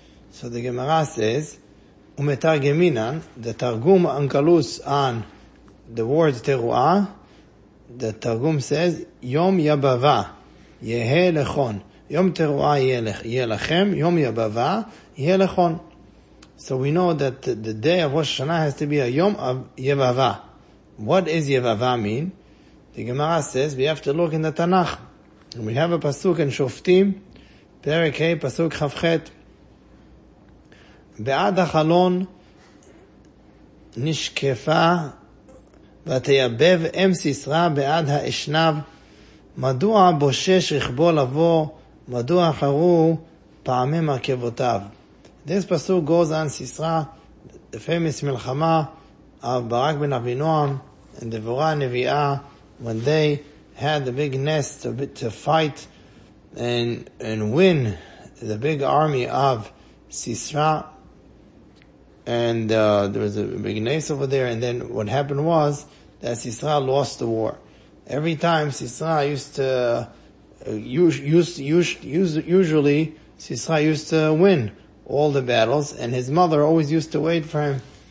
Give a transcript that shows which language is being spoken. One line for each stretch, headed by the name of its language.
English: So the Gemara says, Umetargeminan, the Targum Ankalus on the word Teruah, the Targum says, Yom Yabava, Yehe Lechon. Yom Teruah Yelechem, Yom Yabava, Yehe Lechon. So we know that the day of Rosh Hashanah has to be a Yom of Yabava. What is Yabava mean? The Gemara says, we have to look in the Tanakh. And we have a Pasuk in Shoftim, Perek Hei, Pasuk Chavchet,
Hebrew: בעד החלון נשקפה ותייבב אם סיסרה בעד האשנב מדוע בושש רכבו לבוא מדוע חרו פעמי מרכבותיו.
English: This פסוק goes on סיסרה, the famous מלחמה of ברק בן אבינועם and דבורה הנביאה, when they had the big nest to fight and win the big army of סיסרה. And there was a big nace over there, and then what happened was that Sisra lost the war. Every time Sisra used to usually Sisra used to win all the battles, and his mother always used to wait for him.